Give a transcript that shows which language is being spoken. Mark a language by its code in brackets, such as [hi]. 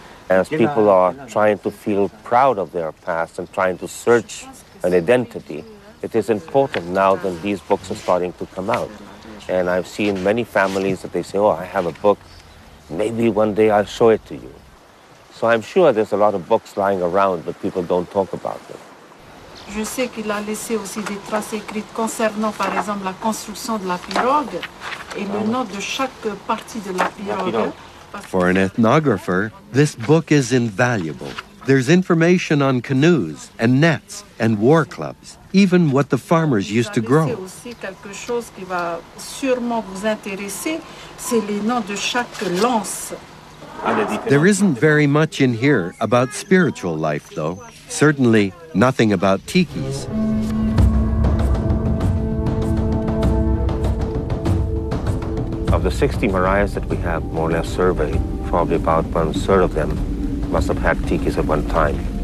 [en] As people are trying to feel proud of their past and trying to search an identity, it is important now that these books are starting to come out. And I've seen many families that they say, oh, I have a book, maybe one day I'll show it to you. So I'm sure there's a lot of books lying around, but people don't talk about them. [fr] Je sais qu'il a laissé aussi des traces écrites concernant, par exemple, la construction de la pirogue et le nom de chaque partie de la pirogue. [en] For an ethnographer, this book is invaluable. There's information on canoes and nets and war clubs, even what the farmers used to grow. [fr] C'est aussi quelque chose qui va sûrement vous intéresser, c'est les noms de chaque lance. [en] There isn't very much in here about spiritual life, though. Certainly nothing about tikis. Of the 60 Mariahs that we have more or less surveyed, probably about 1/3 of them must have had tikis at one time.